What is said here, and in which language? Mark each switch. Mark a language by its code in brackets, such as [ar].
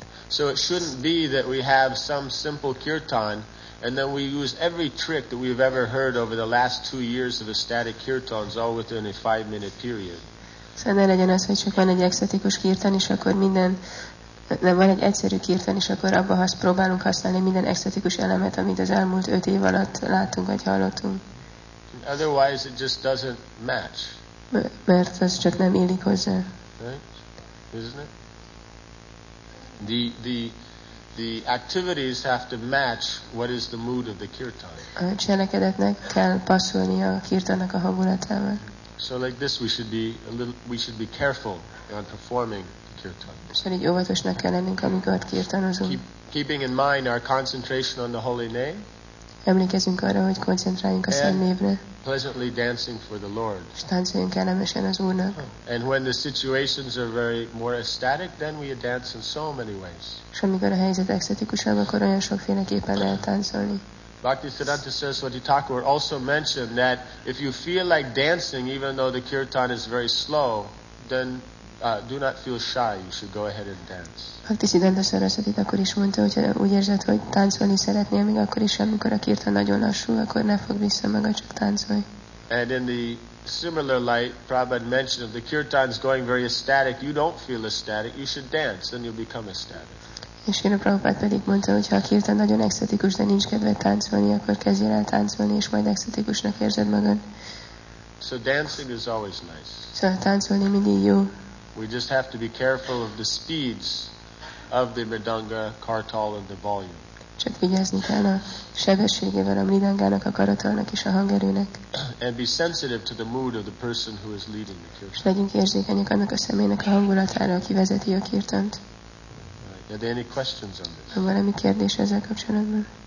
[en] So it shouldn't be that we have some simple kirtan and then we use every trick that we've ever heard over the last 2 years of ecstatic kirtans all within a 5 minute period. [hu] Szóval ne legyen az, hogy csak van egy ecstatikus kirtan, és akkor minden, nem van egy egyszerű kirtan, és akkor abban azt próbálunk használni minden ecstatikus elemet, amit az elmúlt 5 év alatt láttunk, vagy hallottunk. [en] Otherwise it just doesn't match. [hu] Mert az csak nem illik hozzá. [en] Right? Isn't it? The activities have to match what is the mood of the kirtan. [hu] A cselekedetnek kell passzolni a kirtannak a hangulatával. [en] So like this we should be careful on performing kirtan. [hu] Szóval így óvatosnak kell lennünk, amikor kirtanozunk. [en] Keeping in mind our concentration on the holy name. [hu] Emlékezünk arra, hogy koncentráljunk a Szent Névre. [en] Pleasantly dancing for the Lord. [hu] Táncoljunk kellemesen az Úrnak. [en] And when the situations are very more ecstatic, then we dance in so many ways. [hu] És amikor a helyzet ecstatikusabb, akkor olyan sokféleképpen lehet táncolni. [en] Bhaktisiddhanta Saraswati Thakur also mentioned that if you feel like dancing, even though the kirtan is very slow, then do not feel shy. You should go ahead and dance. [hu] Bhaktisiddhanta Saraswati Thakur is mondta, hogy úgy érzed, hogy táncolni szeretnél, még akkor is, amikor a kirtan nagyon lassú, akkor ne fogd vissza magad, csak táncolj. [en] And in the similar light, Prabhupada mentioned if the kirtan is going very ecstatic, you don't feel ecstatic, you should dance, then you'll become ecstatic. [hu] És Srila Prabhupád pedig mondta, hogy ha a kirtan nagyon ekszetikus, de nincs kedve táncolni, akkor kezdjél el táncolni, és majd ekszetikusnak érzed magad. [en] So dancing is always nice. [hu] Szóval táncolni mindig jó. [en] We just have to be careful of the speeds of the mridanga, kartal and the volume. [hu] Csak vigyázni kell a sebességével a mridangának, a karatalnak és a hangerőnek. [en] And be sensitive to the mood of the person who is leading the kirtan. [hu] És legyünk érzékenyek annak a személynek a hangulatára, aki vezeti a kirtant. [en] Are there any questions on this? [hu] Van valami kérdés ezzel kapcsolatban?